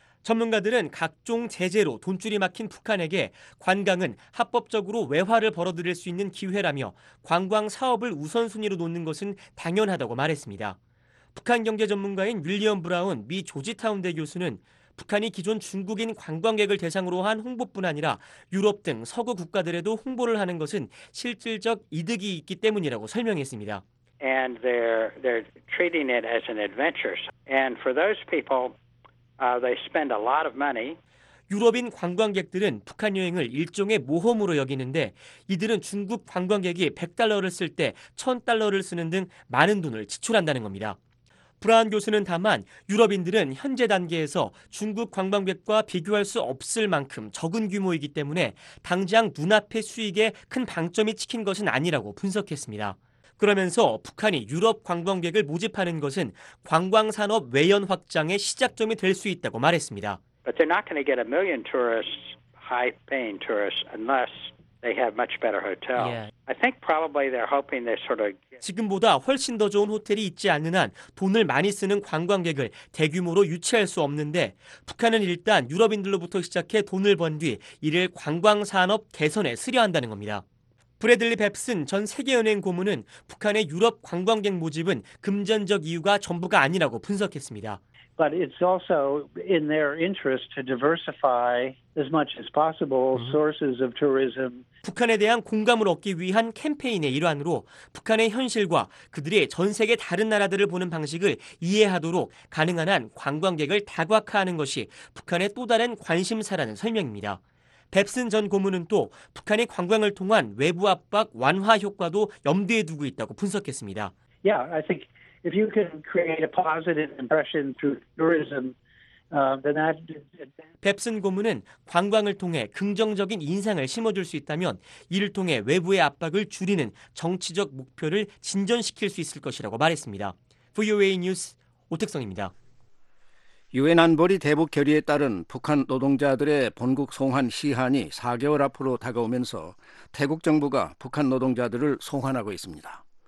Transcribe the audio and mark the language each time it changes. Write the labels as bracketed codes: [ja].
[ko] 전문가들은 각종 제재로 돈줄이 막힌 북한에게 관광은 합법적으로 외화를 벌어들일 수 있는 기회라며 관광 사업을 우선순위로 놓는 것은 당연하다고 말했습니다. 북한 경제 전문가인 윌리엄 브라운 미 조지타운대 교수는 북한이 기존 중국인 관광객을 대상으로 한 홍보뿐 아니라 유럽 등 서구 국가들에도 홍보를 하는 것은 실질적 이득이 있기 때문이라고 설명했습니다. [en] And they're treating it as an adventure. And for those people, they spend a lot of money. [ko] 유럽인 관광객들은 북한 여행을 일종의 모험으로 여기는데 이들은 중국 관광객이 $100를 쓸 때 $1,000를 쓰는 등 많은 돈을 지출한다는 겁니다. 브라운 교수는 다만 유럽인들은 현재 단계에서 중국 관광객과 비교할 수 없을 만큼 적은 규모이기 때문에 당장 눈앞의 수익에 큰 방점이 찍힌 것은 아니라고 분석했습니다. 그러면서 북한이 유럽 관광객을 모집하는 것은 관광산업 외연 확장의 시작점이 될 수 있다고 말했습니다. [en] But they're not going to get a million tourists, high-paying tourists, unless they have much better hotels. Yeah. I think probably they're hoping they sort of [ko] 지금보다 훨씬 더 좋은 호텔이 있지 않는 한 돈을 많이 쓰는 관광객을 대규모로 유치할 수 없는데 북한은 일단 유럽인들로부터 시작해 돈을 번 뒤 이를 관광산업 개선에 쓰려 한다는 겁니다. 브래들리 뱁슨 전 세계은행 고문은 북한의 유럽 관광객 모집은 금전적 이유가 전부가 아니라고 분석했습니다. [en] But it's also in their interest to diversify as much as possible sources of tourism. [ko] 북한에 대한 공감을 얻기 위한 캠페인의 일환으로 북한의 현실과 그들이 전 세계 다른 나라들을 보는 방식을 이해하도록 가능한 한 관광객을 다각화하는 것이 북한의 또 다른 관심사라는 설명입니다. 뱁슨 전 고문은 또 북한이 관광을 통한 외부 압박 완화 효과도 염두에 두고 있다고 분석했습니다. [en] Yeah, I think if you can create a positive impression through tourism, then that [ko] 뱁슨 고문은 관광을 통해 긍정적인 인상을 심어줄 수 있다면 이를 통해 외부의 압박을 줄이는 정치적 목표를 진전시킬 수 있을 것이라고 말했습니다. VOA 뉴스 오택성입니다. 유엔 안보리 대북 결의에 따른 북한 노동자들의 본국 송환 시한이 4개월 앞으로 다가오면서 태국 정부가 북한 노동자들을 송환하고 있습니다.